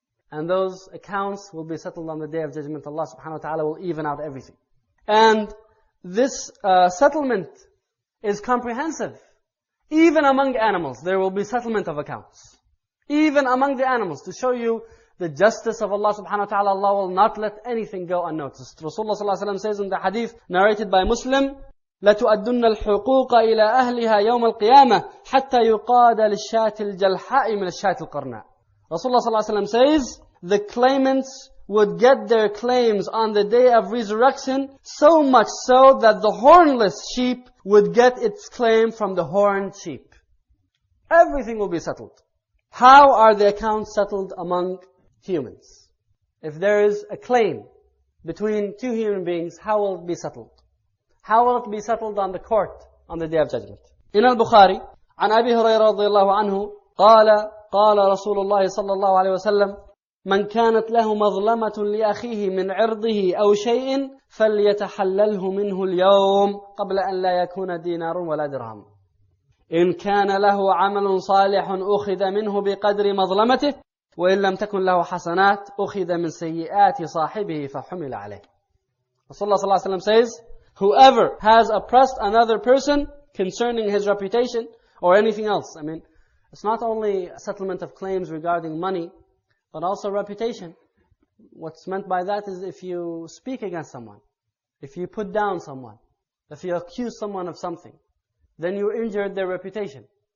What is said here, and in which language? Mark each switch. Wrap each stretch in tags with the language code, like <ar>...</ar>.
<en>And those accounts will be settled on the day of judgment. Allah subhanahu wa ta'ala will even out everything. And this settlement is comprehensive. Even among animals, there will be settlement of accounts. Even among the animals, to show you the justice of Allah subhanahu wa ta'ala, Allah will not let anything go unnoticed. Rasulullah sallallahu alayhi wa sallam says in the hadith narrated by Muslim,</en> <ar>لَتُؤَدُّنَّ الْحُقُوقَ إِلَىٰ أَهْلِهَا يَوْمَ الْقِيَامَةِ حَتَّى يُقَادَ لِلشَّاتِ الْجَلْحَاءِ مِنَ الشَّاتِ الْقَرْنَاءِ.</ar> <en>Rasulullah sallallahu alayhi wa sallam says, the claimants would get their claims on the day of resurrection so much so that the hornless sheep would get its claim from the horned sheep. Everything will be settled. How are the accounts settled among humans? If there is a claim between two human beings, how will it be settled? How will it be settled on the court on the day of judgment?</en> <ar>In al-Bukhari, عن أبي هريرة رضي الله عنه قال قال رسول الله صلى الله عليه وسلم من كانت له مظلمة لأخيه من عرضه أو شيء فليتحلله منه اليوم قبل أن لا يكون دينار ولا درهم. إن كان له عمل صالح أخذ منه بقدر مظلمته وإن لم تكن له حسنات أخذ من سيئات صاحبه فحمل عليه.</ar> <en>Rasulullah صلى الله عليه وسلم says, whoever has oppressed another person concerning his reputation or anything else. I mean, it's not only a settlement of claims regarding money, but also reputation. What's meant by that is if you speak against someone, if you put down someone, if you accuse someone of something, then you injured their reputation.</en>